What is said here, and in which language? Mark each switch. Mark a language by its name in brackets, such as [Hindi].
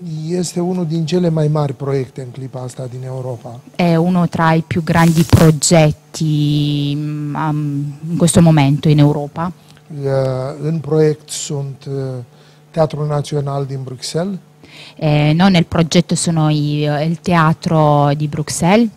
[Romanian] Este unul din cele mai mari proiecte în clipa asta din Europa. [Italian] È uno tra i più grandi progetti in questo momento in Europa. [Romanian] În proiect sunt Teatrul Național din Bruxelles. [Italian] No, nel progetto sono il Teatro di Bruxelles.